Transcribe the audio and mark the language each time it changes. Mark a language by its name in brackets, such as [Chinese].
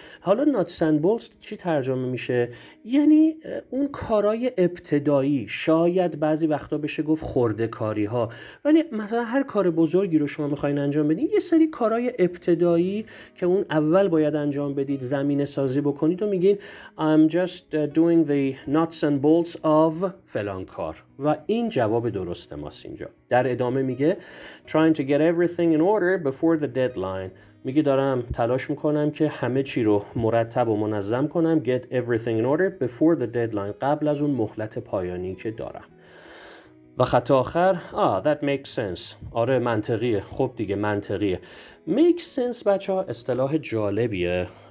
[Persian] حالا ناتس اند بولتس چی ترجمه میشه؟ یعنی اون کارهای ابتدایی، شاید بعضی وقتا بشه گفت خرده کاری ها. ولی مثلا هر کار بزرگی رو شما میخواین انجام بدین، یه سری کارهای ابتدایی که اون اول باید انجام بدید، زمینه سازی بکنید و میگین [English] I'm just doing the nuts and bolts of [Persian] فلان کار. و این جواب درست ماست اینجا. در ادامه میگه [English] trying to get everything in order before the deadline. [Persian] میگه دارم تلاش میکنم که همه چی رو مرتب و منظم کنم، [English] get everything in order before the deadline، [Persian] قبل از اون مهلت پایانی که دارم. و خط آخر [English] that makes sense. [Persian] آره منطقیه. خب دیگه منطقیه. make sense بچه ها اصطلاح جالبیه.